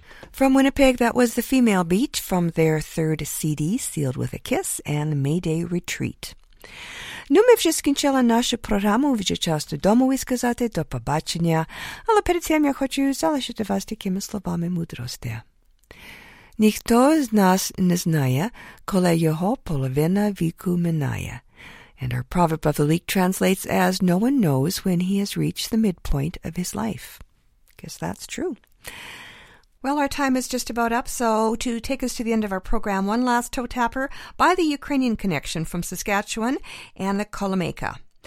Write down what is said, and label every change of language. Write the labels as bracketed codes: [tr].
[en] From Winnipeg, that was The Female Beat from their third CD, Sealed with a Kiss, and May Day Retreat. [uk] Ну, ми вже скінчили нашу програму. Вже час додому і сказати до побачення. Але перед цим я хочу залишити вас такими словами мудрості. Ніхто з нас не знає, коли його половина віку минає. [en] And our proverb of the week translates as, no one knows when he has reached the midpoint of his life. Guess that's true. Well, our time is just about up, so to take us to the end of our program, one last toe-tapper by the Ukrainian Connection from Saskatchewan, Anna Kolomeka.